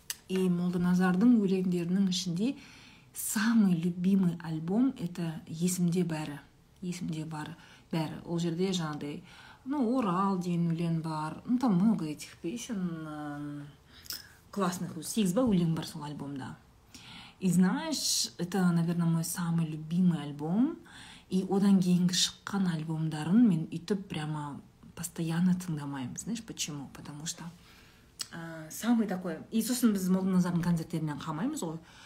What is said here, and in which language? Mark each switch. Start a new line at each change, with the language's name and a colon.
Russian: И Молданазардың
Kazakh: өлеңдерінің ішінде
Russian: самый любимый альбом это «Есімде бәрі». «Есімде бәрі».
Kazakh: Ол жерде жаңағыдай, ну, «Орал» деген өлең бар.
Russian: Ну, там много этих песен. Классных.
Kazakh: Сегіз ба өлең бар сол альбомда.
Russian: И знаешь, это, наверное, мой самый любимый альбом.
Kazakh: И одан кейінгі шыққан альбомдарын мен үйтіп
Russian: прямо постоянно
Kazakh: тыңдамаймын.
Russian: Знаешь, почему? Потому что... самый такой.
Kazakh: И сосын біз Молданазардың концерттерінен қалмаймыз ғой.